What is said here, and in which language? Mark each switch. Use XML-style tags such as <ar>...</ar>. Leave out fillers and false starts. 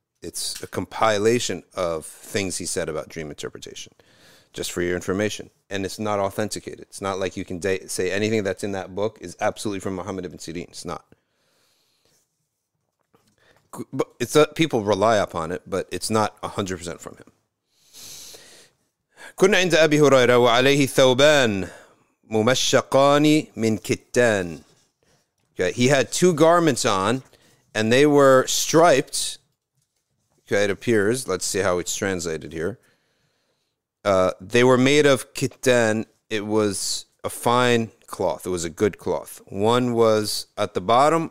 <en>It's a compilation of things he said about dream interpretation, just for your information. And it's not authenticated. It's not like you can say anything that's in that book is absolutely from Muhammad ibn Sirin. It's not. It's people rely upon it, but it's not 100% from him.</en> <ar>كنا عند أبي هريرة وعليه ثوبان ممشقان من كتان.</ar> <en>Okay, he had two garments on, and they were striped. Okay, it appears. Let's see how it's translated here. They were made of kitan. It was a fine cloth. It was a good cloth. One was at the bottom.</en>